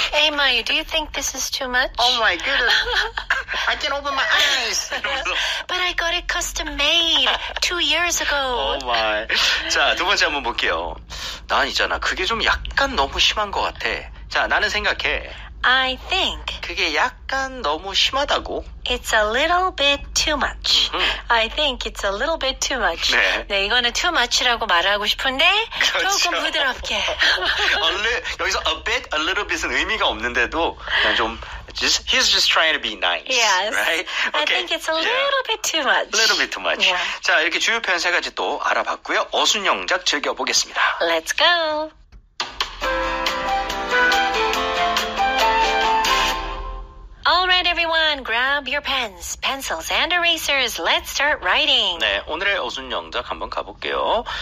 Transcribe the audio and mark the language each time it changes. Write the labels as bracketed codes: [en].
[en] Hey, Mayu, do you think this is too much? Oh, my goodness. I can open my eyes. But I got it custom made 2 years ago. [ko] Oh, my. 자, 두 번째 한번 볼게요. 난 있잖아. 그게 좀 약간 너무 심한 것 같아. 자, 나는 생각해. [en] I think. [ko] 그게 약간 너무 심하다고. [en] It's a little bit too much. I think it's a little bit too much. [ko] 네. 네, 이거는 too much라고 말하고 싶은데 그렇죠. 조금 부드럽게. 여기서 [en] a bit, a little bit은 [ko] 의미가 없는데도 그냥 좀 [en] just, he's just trying to be nice. Yes. Right? Okay. I think it's a little bit too much. A little bit too much. Yeah. [ko] 자, 이렇게 주요 표현 세 가지 또 알아봤고요. 어순영작 즐겨보겠습니다. [en] Let's go. [ko] 네, 오늘의 어순영작 한번 가볼게요.